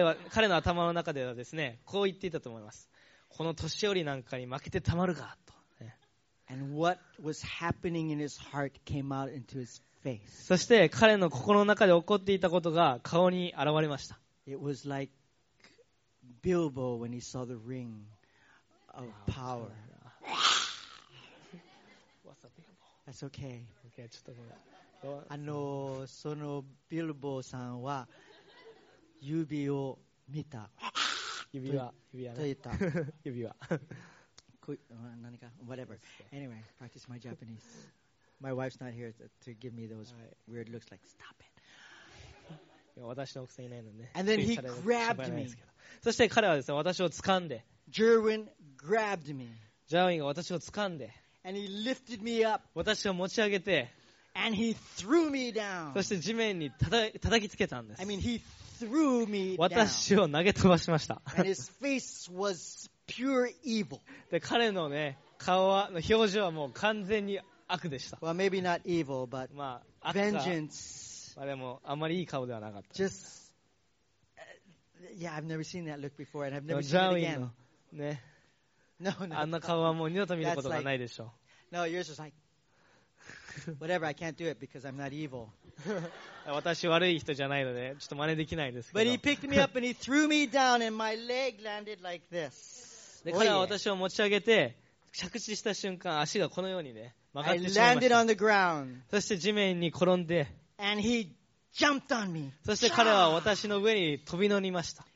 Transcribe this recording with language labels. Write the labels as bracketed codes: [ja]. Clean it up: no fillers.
[ja] 彼の頭の中ではですね、こう言っていたと思います。この年寄りなんかに負けてたまるかと、ね。 [en] And what was happening in his heart came out into his face. [ja] そして彼の心の中で起こっていたことが顔に現れました。 [en] It was like Bilbo when he saw the ring of power. What's up, Bilbo? That's okay. [ja] Okay, ちょっとごめん。そのビルボーさんは指を見た。指輪。 何か、 [en] whatever。 Anyway, practice my Japanese. My wife's not here to give me those weird looks like, stop it. [ja] 私の奥さんいないのね。 [en] And then he grabbed me. [ja] そして彼はですね、私を掴んで。 [en] Jerwin grabbed me. [ja] ジャーウィンが私を掴んで。 [en] And he lifted me up. [ja] 私を持ち上げて。 [en] And he threw me down. [ja] そして地面に叩きつけたんです。 [en] I mean, he threw me down. [ja] 私を投げ飛ばしました。 [en] And his face was pure evil. [ja] で、彼のね、顔は、表情はもう完全に悪でした。 [en] Well, maybe not evil, but vengeance. [ja] まあ、でも、あまりいい顔ではなかった。 [en] Just, yeah, I've never seen that look before, and I've never seen it again. [ja] ね。 [en] No, no. [ja] あんな顔はもう二度と見ることがないでしょう。 [en] No, yours was like,Whatever, I can't do it because I'm not evil. [ja] 私悪い人じゃないので、ちょっと真似できないですけど。 [en] But he picked me up and he threw me down and my leg landed like this. [ja] で、彼は私を持ち上げて、着地した瞬間、足がこのようにね、曲がってしまいました。 [en] I landed on the ground. [ja] そして地面に転んで、 [en] and he jumped on me. [ja] そして彼は私の上に飛び乗りました。